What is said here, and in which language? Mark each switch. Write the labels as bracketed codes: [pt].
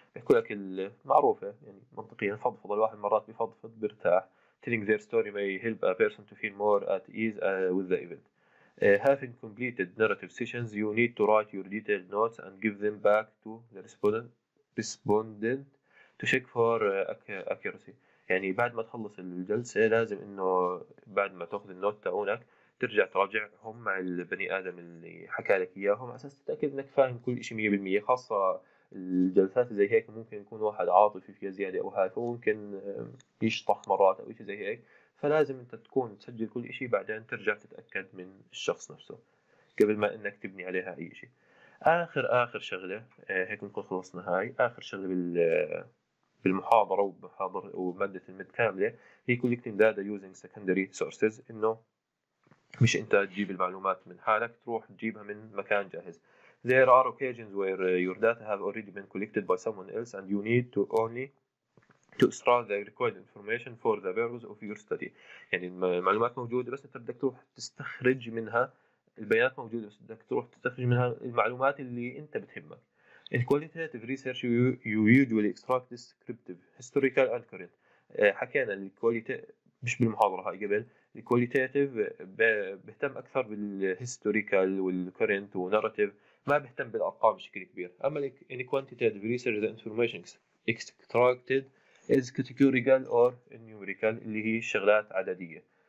[ar] بحكوا لك المعروفه يعني منطقيا فضفض الواحد مرات بفضفض بيرتاح. [en] Telling their story may help a person to feel more at ease with the event. Having completed narrative sessions, you need to write your detailed notes and give them back to the respondent to check for accuracy. [ar] يعني بعد ما تخلص الجلسة لازم إنه بعد ما تأخذ النوت تاعونك ترجع تراجعهم مع البني آدم اللي حكى لك إياهم على أساس تتأكد إنك فاهم كل إشي 100% خاصة الجلسات زي هيك ممكن يكون واحد عاطفي فيها زيادة أو هاي فممكن يشطح مرات أو إشي زي هيك فلازم أنت تكون تسجل كل إشي بعدين ترجع تتأكد من الشخص نفسه قبل ما إنك تبني عليها أي إشي. آخر شغلة هيك نكون خلصنا هاي آخر شغلة بالمحاضرة ومادة المد كاملة هي [en] collecting data using secondary sources. [ar] إنه مش أنت تجيب المعلومات من حالك تروح تجيبها من مكان جاهز. [en] There are occasions where your data have already been collected by someone else and you need to only to extract the required information for the purpose of your study. [ar] يعني المعلومات موجودة بس انت بدك تروح تستخرج منها البيانات موجودة بس بدك تروح تستخرج منها المعلومات اللي انت بتهمك. [en] In qualitative research you usually extract descriptive, historical and current. [ar] حكينا مش بالمحاضرة هاي قبل الكواليتاتيف بيهتم أكثر بالهيستوريكال والكورنت ونارتيف ما بيهتم بالأرقام بشكل كبير. أما [en] In quantitative research the information extracted is categorical or numerical اللي هي شغلات عددية.